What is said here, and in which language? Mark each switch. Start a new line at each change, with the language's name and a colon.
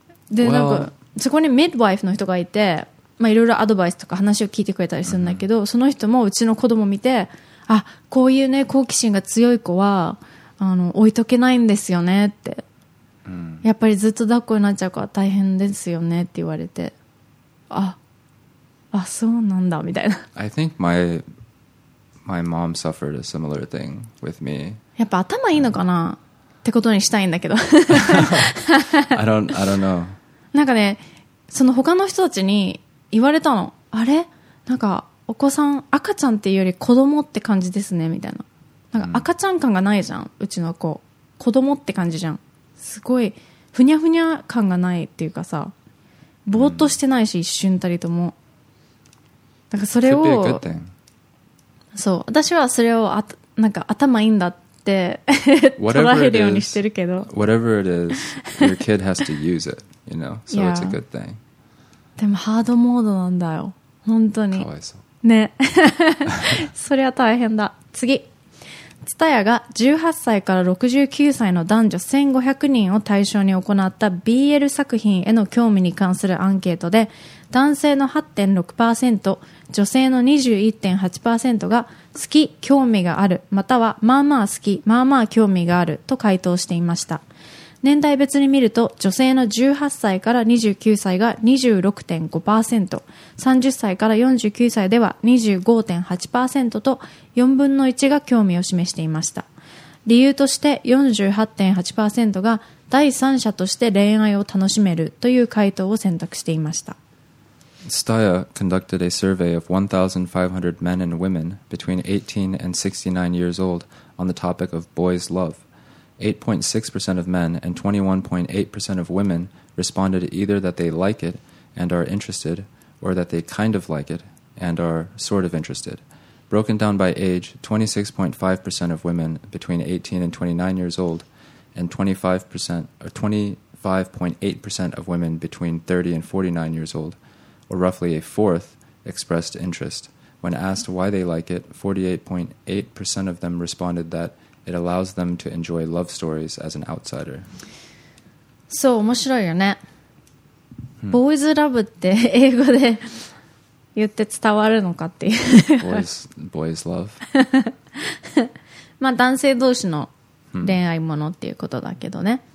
Japanese: で、なんかそこにミッドワイフの人がいて、まあ、いろいろアドバイスとか話を聞いてくれたりするんだけど、その人もうちの子供見て、あ、こういうね好奇心が強い子は、あの、置いとけないんですよねって、やっぱりずっと抱っこになっちゃうから大変ですよねって言われて、あ、そうなんだみたいな。
English: I think my mom suffered a similar thing with me.
Japanese: やっぱ頭いいのかな、ってことにしたいんだけど。
English: I don't know.
Japanese: なんかね、その他の人たちに言われたの。あれ、なんかお子さん、赤ちゃんっていうより子供って感じですねみたいな。なんか赤ちゃん感がないじゃん、うちの子。子供って感じじゃん。すごいふにゃふにゃ感がないっていうかさ、ぼーっとしてないし、一瞬たりとも。なんかそれを、そう、私はそれを、あ、なんか頭いいんだって捉えるようにしてるけど。
English: Whatever it is, your kid has to use it, you know, so it's a good thing.
Japanese: でもハードモードなんだよ、本当に。かわいそう。ね。それは大変だ。次。ツタヤが18歳から69歳の男女1500人を対象に行った BL 作品への興味に関するアンケートで、男性の 8.6%、 女性の 21.8% が好き、興味がある、またはまあまあ好き、まあまあ興味があると回答していました。年代別に見ると、女性の18歳から29歳が 26.5%、 30歳から49歳では 25.8% と4分の1が興味を示していました。理由として 48.8% が第三者として恋愛を楽しめるという回答を選択していました。
English: STAYA conducted a survey of 1,500 men and women between 18 and 69 years old on the topic of boys love. 8.6% of men and 21.8% of women responded either that they like it and are interested, or that they kind of like it and are sort of interested. Broken down by age, 26.5% of women between 18 and 29 years old and 25.8% of women between 30 and 49 years old, or roughly a fourth, expressed interest. When asked why they like it, 48.8% of them responded that it allows them to enjoy love stories as an outsider.
Japanese: そう、面白いよね。ボーイズラブって英語で言って伝わるのかっていう。
English: Boys love.
Japanese: まあ男性同士の恋愛ものっていうことだけどね。